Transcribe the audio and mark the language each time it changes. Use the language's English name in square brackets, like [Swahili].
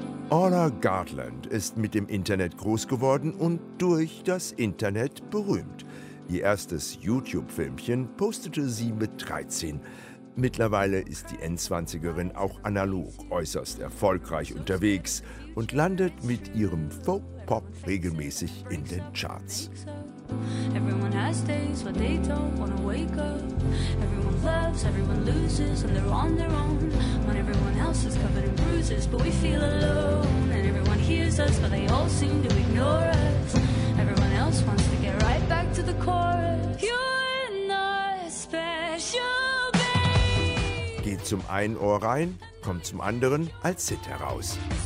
[German] Orla Gardland ist mit dem Internet groß geworden und durch das Internet berühmt. Ihr erstes YouTube-Filmchen postete sie mit 13. Mittlerweile ist die N20erin auch analog äußerst erfolgreich unterwegs und landet mit ihrem Folk-Pop regelmäßig in den Charts. [English] Everyone has days where they don't wanna wake up. Everyone loves, everyone loses, and they're on their own. When everyone else is covered in bruises, but we feel alone. And everyone hears us, but they all seem to ignore us. Everyone else wants to get right back to the chorus. You're not special, babe. [German] Geht zum einen Ohr rein, kommt zum anderen als Hit heraus.